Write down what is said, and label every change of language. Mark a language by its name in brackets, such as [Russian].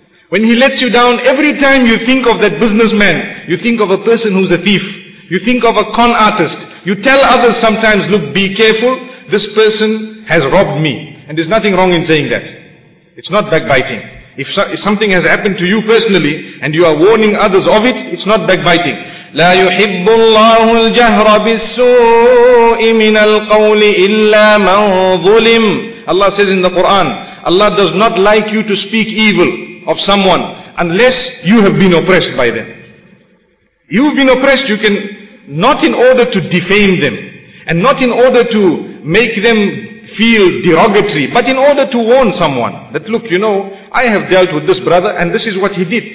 [English] When he lets you down, every time you think of that businessman, you think of a person who's a thief. You think of a con artist. You tell others sometimes, "Look, be careful, this person has robbed me." And there's nothing wrong in saying that. It's not backbiting. If something has happened to you personally, and you are warning others of it, it's not backbiting. [Arabic] لا يحب الله الجهر بالسوء من القول إلا من ظلم. [English] Allah says in the Quran, Allah does not like you to speak evil of someone unless you have been oppressed by them. You've been oppressed, you can, not in order to defame them, and not in order to make them feel derogatory, but in order to warn someone that, look, you know, I have dealt with this brother and this is what he did.